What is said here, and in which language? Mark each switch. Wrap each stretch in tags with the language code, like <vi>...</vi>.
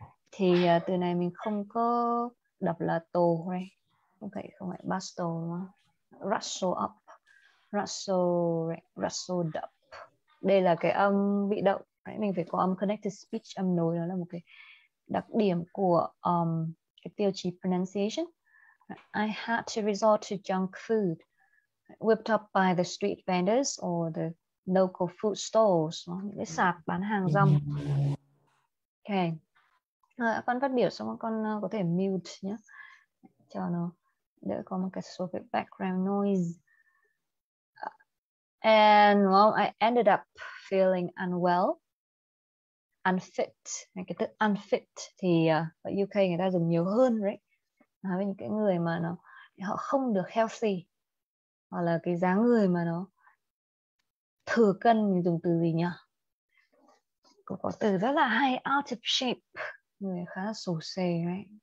<vi>Thì từ này mình không có đọc là tổ, right?</vi> <en>Okay,</en> <vi>không phải</vi> <en>bustle. Rustle up. Rustle, right? Rustled up.</en> <vi>Đây là cái âm bị động, right? Mình phải có âm connected speech, âm nối. Đó là một cái đặc điểm của cái tiêu chí pronunciation.</vi> <en>I had to resort to junk food whipped up by the street vendors or the local food stalls.</en> <vi>Những cái sạp bán hàng rong. Okay. Con phát biểu xong con có thể mute nhé. Chờ nó đỡ có một cái số cái background noise.</vi> <en>And well, I ended up feeling unwell, unfit.</en> <vi>Cái từ unfit thì ở UK người ta dùng nhiều hơn, right? Nói với những cái người mà nó họ không được healthy hoặc là cái dáng người mà nó thừa cân, mình dùng từ gì nhỉ? Có từ rất là hay,</vi> <en>out of shape,</en> <vi>người khá là xổ xề, right?</vi>